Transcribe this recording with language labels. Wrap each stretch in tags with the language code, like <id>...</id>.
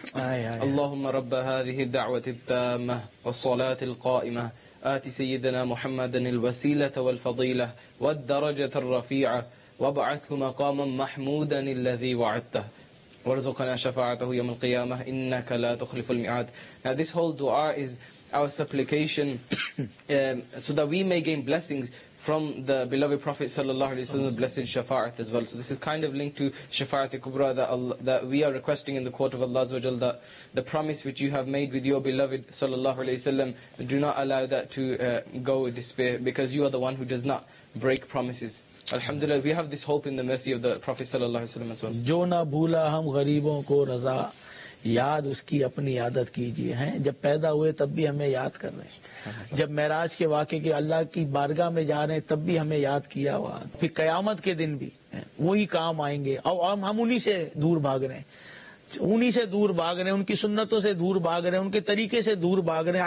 <ar>اللهم رب هذه الدعوة التامة والصلاة القائمة, آت سيدنا محمد الوسيلة والفضيلة والدرجة الرفيعة, وابعثه مقاما محمودا الذي وعدته, وارزقنا شفاعته يوم القيامة, إنك لا تخلف الميعاد.</ar> <en>Now this whole dua is our supplication so that we may gain blessings from the beloved Prophet sallallahu alaihi wasallam, the blessed Shafa'at as well. So this is kind of linked to Shafa'at al-Kubra that we are requesting in the court of Allah azawajal, that the promise which you have made with your beloved sallallahu alaihi wasallam, do not allow that to go in despair, because you are the one who does not break promises. Alhamdulillah, we have this hope in the mercy of the Prophet sallallahu alaihi wasallam as well.</en> <ur>Jo na bhula hum ghareebon ko raza, یاد اس کی اپنی عادت کیجیے. ہیں جب پیدا ہوئے تب بھی ہمیں یاد کر رہے ہیں, جب معراج کے واقعے کے اللہ کی بارگاہ میں جا رہے ہیں تب بھی ہمیں یاد کیا ہوا, پھر قیامت کے دن بھی وہی کام آئیں گے. اور ہم انہی سے دور بھاگ رہے ہیں, انہیں سے دور بھاگ رہے ہیں, ان کی سنتوں سے دور بھاگ رہے ہیں, ان کے طریقے سے دور بھاگ رہے ہیں.</ur>